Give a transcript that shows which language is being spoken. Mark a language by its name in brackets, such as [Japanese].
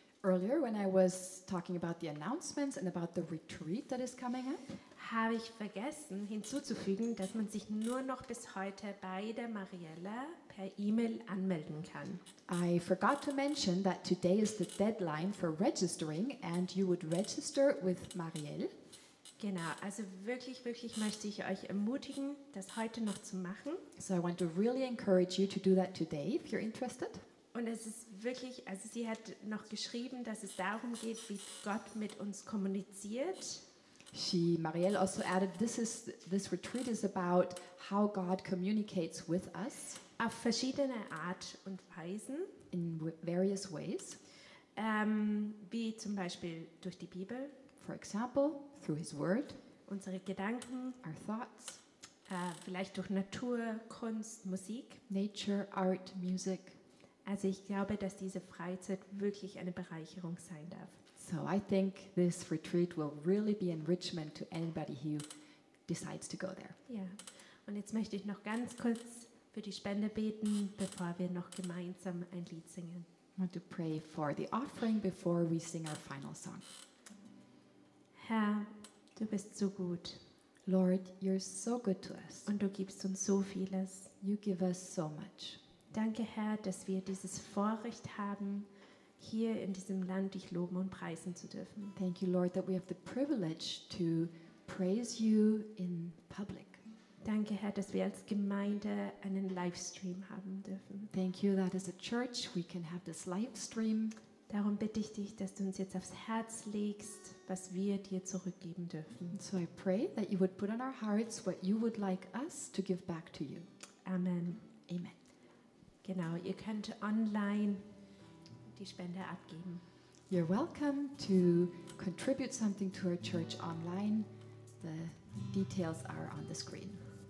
[English] Earlier, when I was talking about the announcements and about the retreat that is coming up, [German] habe ich vergessen hinzuzufügen, dass man sich nur noch bis heute bei der Mariella per E-Mail anmelden kann. [English] I forgot to mention that today is the deadline for registering and you would register with Marielle. [German] Genau, also wirklich, wirklich möchte ich euch ermutigen, das heute noch zu machen. [English] So I want to really encourage you to do that today if you're interested. [German] Und es ist wirklich, also sie hat noch geschrieben, dass es darum geht, wie Gott mit uns kommuniziert. [English] Marielle also added, this retreat is about how God communicates with us. [German] Auf verschiedene Art und Weisen. [English] In various ways. [German] Wie zum Beispiel durch die Bibel. [English] For example, through His Word. [German] Unsere Gedanken. [English] Our thoughts. [German] vielleicht durch Natur, Kunst, Musik. [English] Nature, art, music. [German] Also ich glaube, dass diese Freizeit wirklich eine Bereicherung sein darf. [English] So I think this retreat will really be enrichment to anybody who decides to go there. [German] Ja. Und jetzt möchte ich noch ganz kurz für die Spende beten, bevor wir noch gemeinsam ein Lied singen. [English] I want to pray for the offering before we sing our final song. [German] Herr, du bist so gut. [English] Lord, you're so good to us. [German] Und du gibst uns so vieles. [English] You give us so much. [German] Danke, Herr, dass wir dieses Vorrecht haben, hier in diesem Land dich loben und preisen zu dürfen. [English] Thank you, Lord, that we have the privilege to praise you in public. [German] Danke, Herr, dass wir als Gemeinde einen Livestream haben dürfen. [English] Thank you, that as a church we can have this live stream. [German] Darum bitte ich dich, dass du uns jetzt aufs Herz legst, was wir dir zurückgeben dürfen. [English] So I pray that you would put on our hearts what you would like us to give back to you. [German] Amen. [English] Amen. [German] Genau, ihr könnt online die Spende abgeben. [English] You're welcome to contribute something to our church online. The details are on the screen.